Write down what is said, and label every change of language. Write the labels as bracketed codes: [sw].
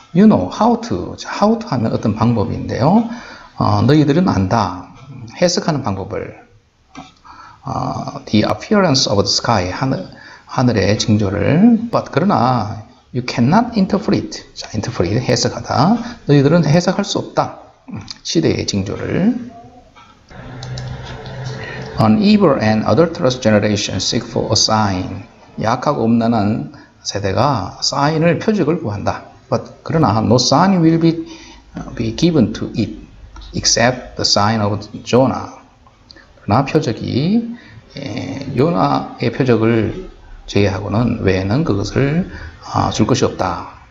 [en] You know how to. How to [ko] 하면 어떤 방법인데요. 너희들은 안다. 해석하는 방법을. [en] The appearance of the sky. [ko] 하늘의 징조를. [en] But, [ko] 그러나, [en] You cannot interpret. [ko] 자, interpret, 해석하다. 너희들은 해석할 수 없다. 시대의 징조를. [en] An evil and adulterous generation seek for a sign. [ko] 약하고 음란한 세대가 sign을, 표적을 구한다. [en] But, [ko] 그러나, [en] no sign will be given to it except the sign of Jonah. [ko] 그러나 표적이, 요나의 표적을 제외하고는 외에는 그것을 줄 것이 없다.